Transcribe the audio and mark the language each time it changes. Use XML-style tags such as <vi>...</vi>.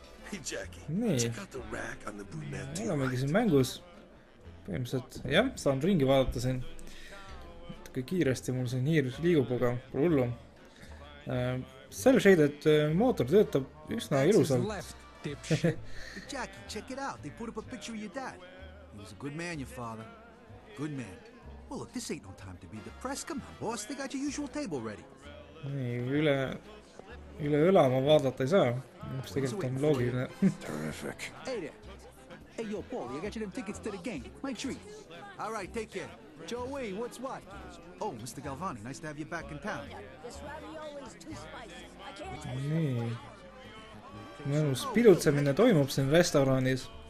<en>Hey, Jackie. Check out the rack on the brunette.</en> <et>Ja, mingi siin mängus. Põhimõtteliselt, jah, saan ringi vaadata siin. Kui kiiresti mul siin hiirus liigub, aga pole hullu. Cell-shaded mootor töötab üsna ilusalt.</et> <en>Jackie, check it out. They put up a picture of your dad. He was a good man, your father. Good man. Well, look, this ain't no time to be depressed. Come on, boss, they got your usual table ready.</en> <et>Nii, üle õla ma vaadata ei saa. Mis tegelikult on loogiline.</et> <en>Terrific. Hey there. Hey, yo, Paul, you got your tickets to the game. My treat. All right, take care. Joey, what's what? Oh, Mr. Galvani, nice to have you back in town.</en> <et>Nii. Mõnus pidutsemine toimub siin restoranis.</et>